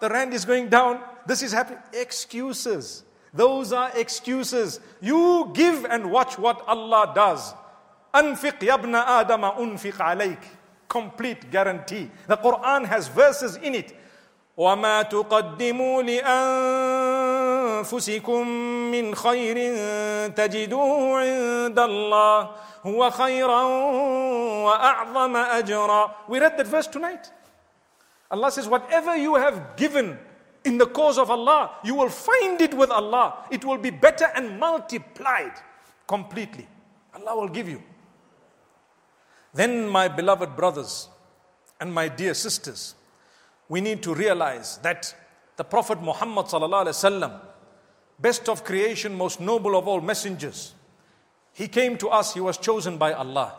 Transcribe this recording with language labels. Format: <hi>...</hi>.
<en>The rand is going down. This is happening. Excuses. Those are excuses. You give and watch what Allah does.</en> <ar>Anfiq yabna adama unfiq alayk.</ar> <en>Complete guarantee. The Quran has verses in it.</en> <ar>وَمَا تُقَدِّمُوا لِأَنْ أنفسكم من خير تجدوه عند الله هو خيرا وأعظم أجرا.</ar> <en>We read that verse tonight. Allah says, whatever you have given in the cause of Allah, you will find it with Allah. It will be better and multiplied completely. Allah will give you. Then my beloved brothers and my dear sisters, we need to realize that the Prophet Muhammad sallallahu alaihi wasallam, best of creation, most noble of all messengers, he came to us, he was chosen by Allah.</en>